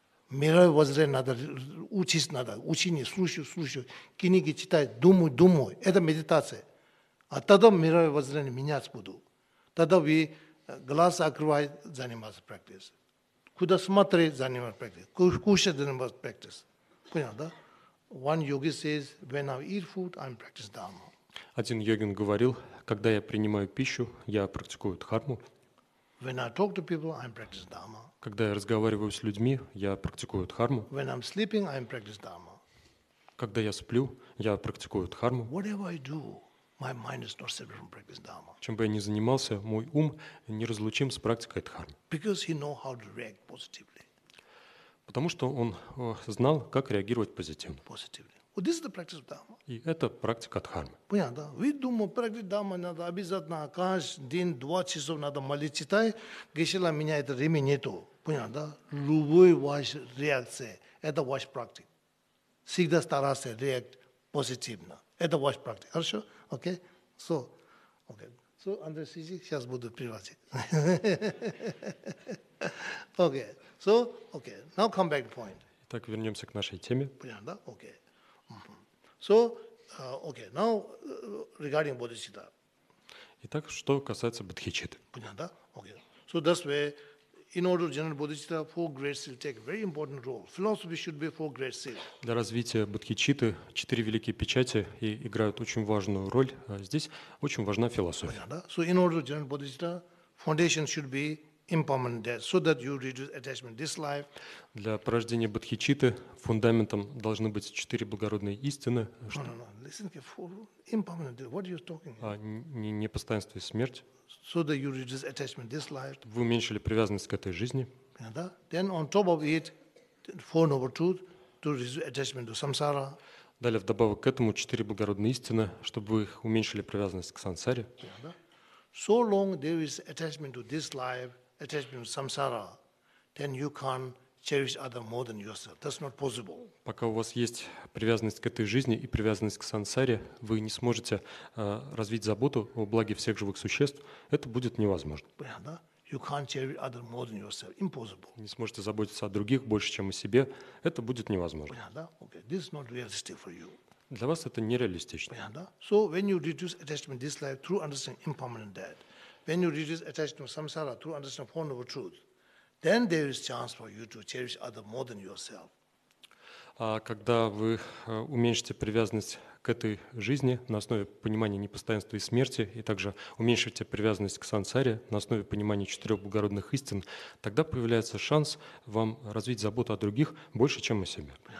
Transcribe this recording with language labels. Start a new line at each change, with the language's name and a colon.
Russian: Мировоззрение надо, учиться надо. Учение, слушать, книги читать, думать. Это медитация. А тогда мировоззрение меняться будет. Тогда вы глаз открываете, занимаетесь практикой. Куда смотреть, занимаетесь практикой. Кушать, занимаетесь практикой. Понял, да?
English: One yogi says, when I eat food, I'm practicing dharma.
Russian: Один йогин говорил, когда я принимаю пищу, я практикую дхарму.
English: When I talk to people, I'm practicing dharma.
Russian: Когда я разговариваю с людьми, я практикую дхарму.
English: When I'm sleeping, I'm practicing dharma.
Russian: Когда я сплю, я практикую дхарму.
English: Whatever I do, my mind is not separate from practicing dharma.
Russian: Чем бы я ни занимался, мой ум неразлучим с практикой дхармы.
English: Because he know how to react positively.
Russian: Потому что он знал, как реагировать позитивно.
English: Positively. Well, this is the practice of dharma.
Russian: И это практика дхармы. Понятно, да? Вы думаете, практика дхармы надо обязательно каждый день, два часа надо молить, читать. Гешила меня это время нету. Понятно, да? Любой ваш реакция, это ваш практик. Всегда старайся реагировать позитивно. Это ваш практик. Хорошо? Окей?
English: Okay. So,
Russian: Андрей Сиди, сейчас буду приводить. Окей.
English: Okay. So, okay, now come back to point.
Russian: Итак, вернемся к нашей теме. Понятно, да?
English: Okay. So, okay, now regarding Bodhicitta.
Russian: Итак, что касается Бодхичитты. Понятно, да? Okay.
English: So, that's where, in order to generate Bodhicitta, four great seals take a very important role. Philosophy should be four great seals.
Russian: Для развития Бодхичитты четыре великие печати и играют очень важную роль. Здесь очень важна философия. Понятно, да?
English: So, in order to generate Bodhicitta, foundation should be impermanent death, so that you reduce attachment this life.
Russian: Для порождения бодхичитты фундаментом должны быть четыре благородные истины. Что...
English: No. Listen carefully. Impermanent death. What are you talking about?
Russian: Непостоянство и смерть.
English: So that you reduce attachment this life.
Russian: Вы уменьшили привязанность к этой жизни.
English: Yeah, да? Then on top of it, four noble truths to reduce attachment to samsara.
Russian: Далее вдобавок к этому четыре благородные истины, чтобы вы уменьшили привязанность к сансаре. Yeah, да?
English: So long there is attachment to this life, attachment to samsara, then you can't cherish other more than yourself. That's not possible.
Russian: Пока у вас есть привязанность к этой жизни и привязанность к сансаре, вы не сможете развить заботу о благе всех живых существ. Это будет невозможно.
English: You can't cherish other more than yourself. Impossible.
Russian: Не сможете заботиться о других больше, чем о себе. Это будет невозможно.
English: Okay. This is not realistic for you.
Russian: Для вас это нереалистично.
English: So when you reduce attachment to this life through understanding impermanent death, when you reduce attachment to samsara through understanding four noble truths, then there is chance for you to cherish other more than yourself.
Russian: А когда вы уменьшите привязанность к этой жизни на основе понимания непостоянства и смерти, и также уменьшите привязанность к сансаре на основе понимания четырех благородных истин, тогда появляется шанс вам развить заботу о других больше, чем о себе.